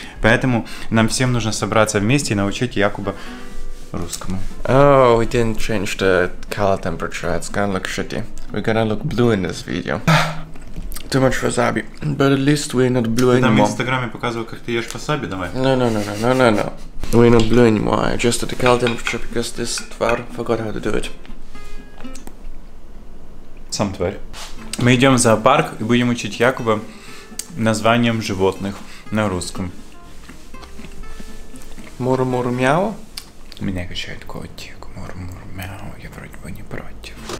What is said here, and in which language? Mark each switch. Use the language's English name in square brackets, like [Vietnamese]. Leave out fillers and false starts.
[Russian] Поэтому нам всем нужно собраться вместе и научить Якуба русскому. [English] Oh, we didn't change the color temperature. It's gonna look shitty. We're gonna look blue in this video. Too much wasabi. But at least we're not blue anymore. [Russian] Ты нам в Инстаграме показывал, как ты ешь васаби, давай. [English] No. We're not blue anymore. I adjusted the color temperature because this tvar forgot how to do it. [Russian] Сам тварь. Мы идем в зоопарк и будем учить Якуба названием животных на русском. Муру-муру-мяу? Меня качает котик. Муру-муру-мяу. Я вроде бы не против.